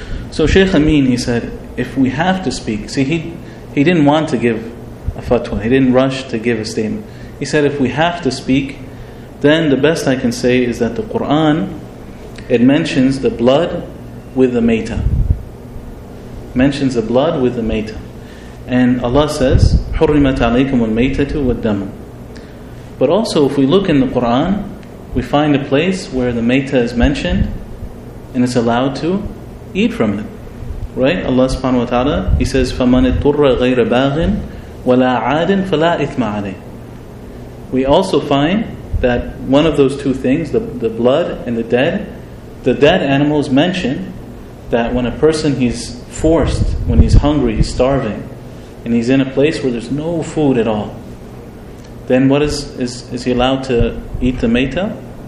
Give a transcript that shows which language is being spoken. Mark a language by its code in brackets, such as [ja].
[en] So Shaykh Amin, he said, if we have to speak, see, he didn't want to give a fatwa. He didn't rush to give a statement. He said, if we have to speak, then the best I can say is that the Quran, it mentions the blood with the mayta. Mentions the blood with the mayta. And Allah says, [ar] حُرِّمَتْ عَلَيْكُمُ الْمَيْتَةُ وَالْدَّمُ. [en] But also, if we look in the Quran, we find a place where the mayta is mentioned and it's allowed to eat from it. Right? Allah subhanahu wa ta'ala, He says, [ar] فَمَنِ اتُّرَّ غَيْرَ بَاغٍ وَلَا عَادٍ فَلَا إِثْمَ عَلَيْهِ. [en] We also find that one of those two things, the blood and the dead animals mention that when a person, he's forced, when he's hungry, he's starving, and he's in a place where there's no food at all, then what is he allowed to eat the mayta?